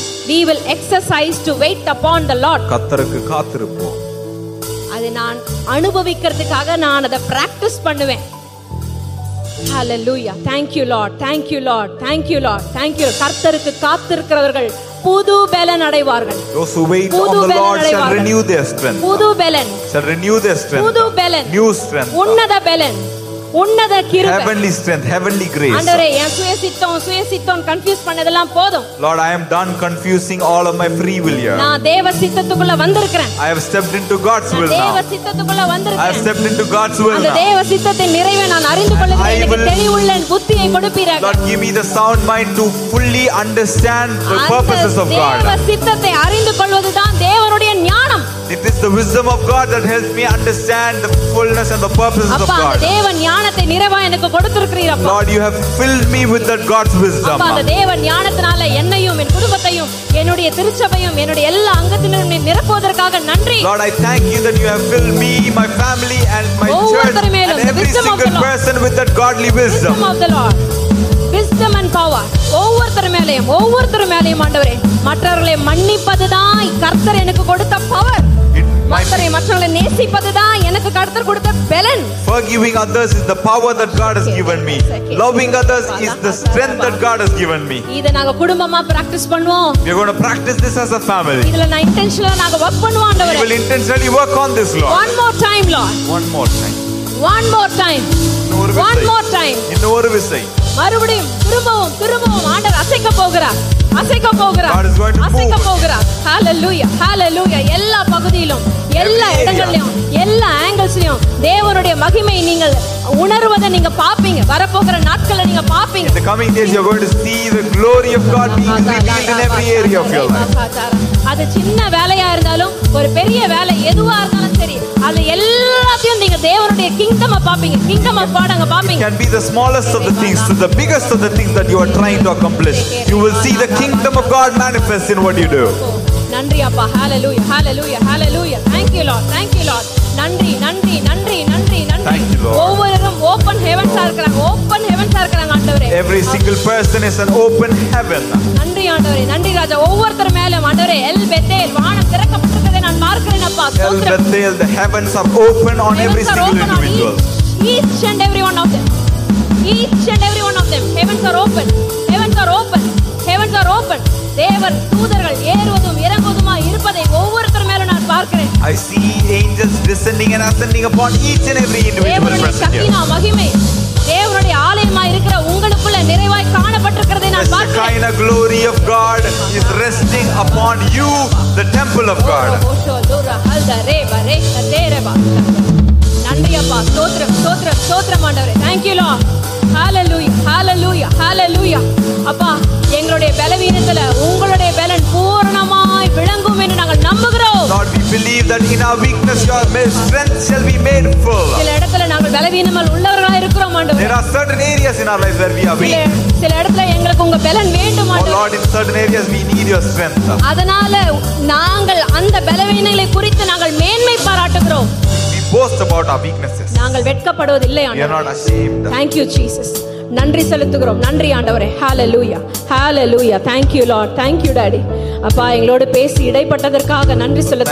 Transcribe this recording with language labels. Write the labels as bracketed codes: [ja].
[en] We will exercise to wait upon the Lord. [ta] கர்த்தருக்கு காத்திருப்போம். அது நான் அனுபவிக்கிறதுக்காக நான் அதை பிராக்டீஸ் பண்ணுவேன். [en] Hallelujah. Thank you Lord. Thank you Lord. Thank you Lord. Thank you. [ta] கர்த்தருக்கு காத்திருக்கிறவர்கள் புது பலன் அடைவார்கள். [en] Those who wait on the Lord shall renew their strength. [ta] புது பலன் [en] shall renew their strength. [ta] புது பலன் [en] new strength. [ta] உன்னத பலன், உன்னத கிருபை, [en] heavenly strength, heavenly grace. [ta] ஆண்டவரே, என் சுயசித்தம் சுயசித்தம் கன்ஃபியூஸ் பண்ணதெல்லாம் போதும். [en] Lord, I am done confusing all of my free will here. [ta] நான் தேவ சித்தத்துக்குள்ள வந்திருக்கேன். [en] I have stepped into God's will now. [ta] தேவ சித்தத்துக்குள்ள வந்திருக்கேன். [en] I have stepped into God's will now. [ta] அந்த தேவ சித்தத்தின் நிறைவே நான் அறிந்து கொள்ளுகிறேன். எனக்கு தெளிவுள்ள புத்தியை கொடுப்பீராக. [en] Lord, give me the sound mind to fully understand the purposes of God. [ta] தேவ சித்தத்தை அறிந்து கொள்வதுதான் தேவனுடைய ஞானம். [en] It is the wisdom of God that helps me understand the fullness and the purposes [ta] Appa, [en] of God. [ta] அப்பா, தேவ ஞானத்தை நிறைவா எனக்கு கொடுத்திருக்கிறீரப்பா. [en] Lord, you have filled me with that God's wisdom. [ta] அப்பா, தேவ ஞானத்தினால என்னையும் என் குடும்பத்தையும் என்னுடைய திருச்சபையும் என்னுடைய எல்லா அங்கத்தினரும் நீ நிரப்புவதற்காக நன்றி. [en] Lord, I thank you that you have filled me, my family and my church and every single person with that godly wisdom. Wisdom of the Lord. Wisdom and power. [ta] ஒவ்வொருத்தர் மேலையும் ஆண்டவரே, மற்றவர்களை மன்னிப்பதுதான் கர்த்தர் எனக்கு கொடுத்த பவர். மற்றவரை மற்றவங்களை நேசிப்பது தான் எனக்கு கர்த்தர் கொடுத்த பலன். [en] Forgiving others is the power that God has given me. Loving others is the strength that God has given me. [ta] இத நாங்க குடும்பமா பிராக்டீஸ் பண்ணுவோம். [en] We are going to practice this as a family. [ta] இதல நான் இன்டென்ஷனலா நாங்க வர்க் பண்ணுவோம் ஆண்டவரே. [en] We will intentionally work on this, Lord. One more time, Lord. One more time. One more time. One more time. [ta] இன்னொரு விசை. மறுபடியும் திரும்பவும் திரும்பவும் ஆண்டவர் அசைக்க போகிறார். அசைக்க போகிறார். அசைக்க போகிறார். Hallelujah. Hallelujah. எல்லா பகுதியிலும் எல்லா இடங்களிலும் எல்லா ஆங்கிள்ஸ்லயும் தேவனுடைய மகிமை நீங்கள் உணர்வதை நீங்க பாப்பீங்க. வரப்போகிற நாட்களை நீங்க பாப்பீங்க. [en] In the coming days you are going to see the glory of God being revealed in every area of your life. [ta] அது சின்ன வேலையா இருந்தாலும் ஒரு பெரிய வேலை எதுவா இருந்தாலும் சரி அது எல்லாத்தையும் நீங்க தேவனுடைய கிங்டம் பாப்பீங்க. கிங்டம் பாடங்க பாப்பீங்க. [en] Can be the smallest of the things to the biggest of the things that you are trying to accomplish. You will see the kingdom of God manifest in what you do. [ta] நன்றி அப்பா. [en] Hallelujah. Hallelujah. Hallelujah. Thank you Lord. Thank you Lord. [ta] நன்றி நன்றி நன்றி நன்றி நன்றி. [en] Thank you Lord. [ta] ஒவ்வொருவரும் open ஹெவன்ஸா இருக்காங்க. Open ஹெவன்ஸா இருக்காங்க ஆண்டவரே. [en] Every single person is an open heaven. [ta] நன்றி ஆண்டவரே. நன்றி ராஜா. ஒவ்வொருத்தர் மேலே ஆண்டவரே எல் பெத்தேல் வானம் திறக்கப்பட்டிருக்கிறதை நான் பார்க்கிறேன் அப்பா. [en] El Bethel the heavens are open on every single individual. Each and every one of them. Each and every one of them. Heavens are open. Heavens are open. Heavens are open. [ta] தேவர் தூதர்கள் ஏறுவதும் இறங்குவதுமா இருப்பதை ஒவ்வொருத்தர் மேலும் நான் பார்க்கிறேன். [en] I see angels descending and ascending upon each and every individual person here. [ta] மகிமை தேவனுடைய ஆலயமாய் இருக்கிற உங்களுக்குள்ள நிறைவாய் காணப்பட்டிருக்கிறதை நான் பார்க்கிறேன். [en] The Shekinah glory of God is resting upon you, the temple of God. [ta] நன்றி அப்பா. ஸ்தோத்திரம் ஸ்தோத்திரம் ஸ்தோத்திரம் ஆண்டவரே. [en] Thank you Lord. Hallelujah. Hallelujah. Hallelujah. [ta] அப்பா எங்களுடைய பலவீனத்துல உங்களுடைய பலன் பூரணமாய் விளங்கும் என்று நாங்கள் நம்புகிறோம். [en] Lord, we believe that in our weakness your strength shall be made full. [ta] சில இடத்துல நாங்கள் பலவீனமல் உள்ளவர்களாக இருக்கிறோம் ஆண்டவரே. [en] There are certain areas in our lives where we are weak. [ta] சில இடத்துல எங்களுக்கு உங்க பலன் வேண்டும் ஆண்டவரே. [en] Lord, in certain areas we need your strength. [ta] அதனால நாங்கள் அந்த பலவீனங்களை குறித்து நாங்கள் மேன்மை பாராட்டுகிறோம். [en] We boast about our weaknesses. [ta] நாங்கள் வெட்கப்படுவதில்லை ஆண்டவரே. [en] We are not ashamed. Thank you Jesus. [ta] நன்றி செலுத்துகிறோம். நன்றி ஆண்டவரே. [en] Hallelujah. Hallelujah. Thank you Lord. Thank you daddy. [ta] அப்பா எங்களோடு பேசி இடைப்பட்டதற்காக நன்றி செலுத்துகிறோம்.